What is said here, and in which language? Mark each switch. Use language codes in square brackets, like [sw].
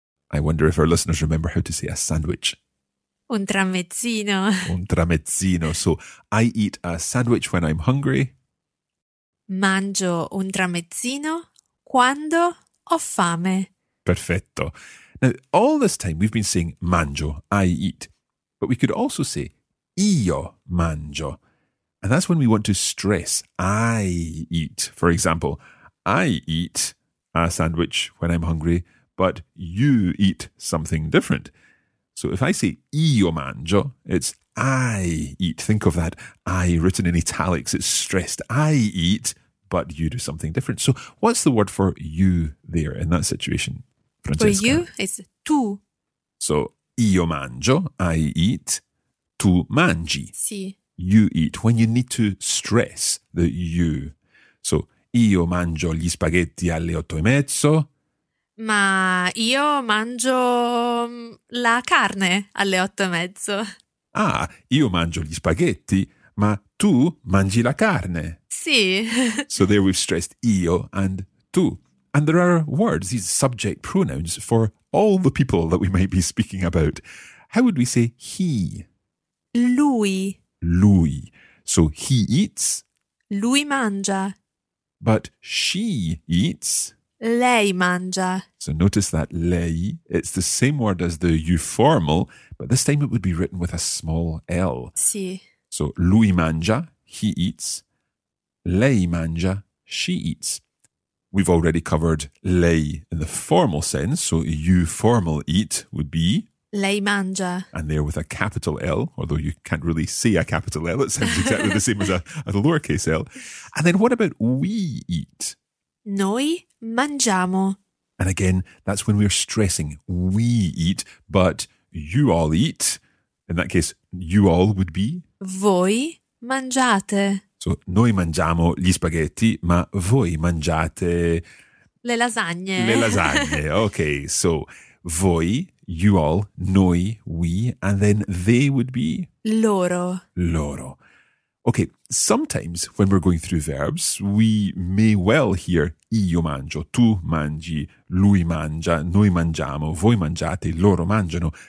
[en] I wonder if our listeners remember how to say a sandwich. [it] Un tramezzino. Un tramezzino. [en] So I eat a sandwich when I'm hungry. [it] Mangio un tramezzino quando ho fame. Perfetto. [en] Now, all this time we've been saying mangio, I eat. But we could also say [it] io mangio. [en] And that's when we want to stress I eat. For example, I eat a sandwich when I'm hungry, but you eat something different. So if I say [it] io mangio, [en] it's I eat. Think of that I written in italics. It's stressed. I eat, but you do something different. So what's the word for you there in that situation, Francesca? For you, it's tu. [it] So io mangio, [en] I eat. [it] Tu mangi. Sì. [en] You eat. When you need to stress the you. [it] So io mangio gli spaghetti alle 8:30. Ma io mangio la carne alle 8:30. Ah, io mangio gli spaghetti, ma tu mangi la carne. Sì. [en] So there we've stressed io and tu. And there are words, these subject pronouns, for all the people that we might be speaking about. How would we say he? [it] Lui. [en] Lui. So he eats. [it] Lui mangia. [en] But she eats. [it] Lei mangia. [en] So notice that lei, it's the same word as the you formal, but this time it would be written with a small L. [it] Sì. [en] So [it] lui mangia, [en] he eats. [it] Lei mangia, [en] she eats. We've already covered lei in the formal sense, so you formal eat would be? [it] Lei mangia. [en] And there with a capital L, although you can't really see a capital L, it sounds exactly the same as a lowercase L. And then what about we eat? [it] Noi mangiamo. [en] And again, that's when we're stressing we eat, but you all eat. In that case, you all would be? [it] Voi mangiate. So, noi mangiamo gli spaghetti, ma voi mangiate... Le lasagne. Le lasagne. [en] Okay, so, voi, you all, noi, we, and then they would be? [it] Loro. [en] Loro. Okay, sometimes when we're going through verbs, we may well hear [it] io mangio, tu mangi, lui mangia, noi mangiamo, voi mangiate, loro mangiano.